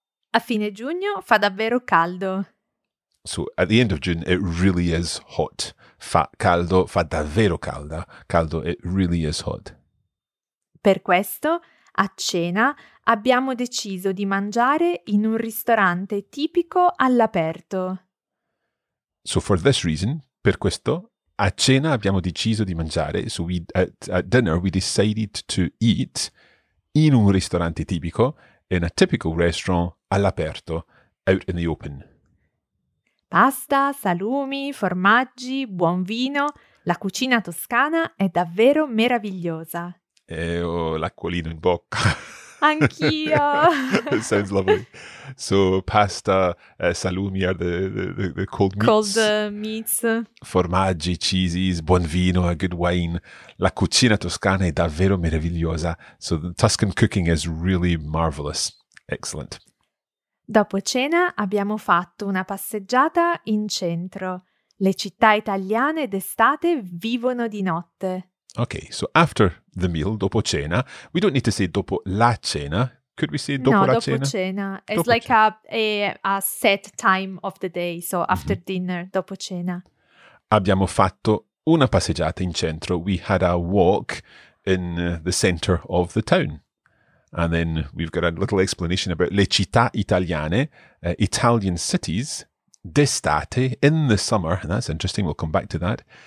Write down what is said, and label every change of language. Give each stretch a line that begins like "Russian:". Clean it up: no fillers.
Italian: A fine giugno fa davvero caldo.
English: So at the end of June, it really is hot.
Italian: Fa caldo, fa davvero calda.
English: Caldo, it really is hot.
Italian: Per questo, a cena, abbiamo deciso di mangiare in un ristorante tipico all'aperto.
English: So for this reason,
Italian: per questo, a cena abbiamo deciso di mangiare.
English: So we, at dinner, we decided to eat
Italian: in un ristorante tipico,
English: in a typical restaurant, all'aperto, out in the open.
Italian: Pasta, salumi, formaggi, buon vino. La cucina toscana è davvero meravigliosa. Ho l'acquolino in bocca. Anch'io.
English: It sounds lovely. So pasta, salumi are the cold meats. Cold meats. Formaggi, cheeses,
Italian: buon vino,
English: a good wine.
Italian: La cucina toscana è davvero meravigliosa.
English: So the Tuscan cooking is really marvelous. Excellent.
Italian: Dopo cena abbiamo fatto una passeggiata in centro. Le città italiane d'estate vivono di notte.
English: Okay, so after the meal,
Italian: dopo cena,
English: we don't need to say
Italian: dopo la cena.
English: Could we say dopo no,
Italian: la dopo cena?
English: No,
Italian: dopo cena.
English: It's dopo like cena. A set time of the day, so after mm-hmm.
Italian: dinner, dopo cena. Abbiamo fatto una passeggiata in centro.
English: We had a walk in the center of the town. And then we've got a little explanation about
Italian: le città italiane,
English: Italian cities, d'estate, in the summer. And that's interesting, we'll come back to that.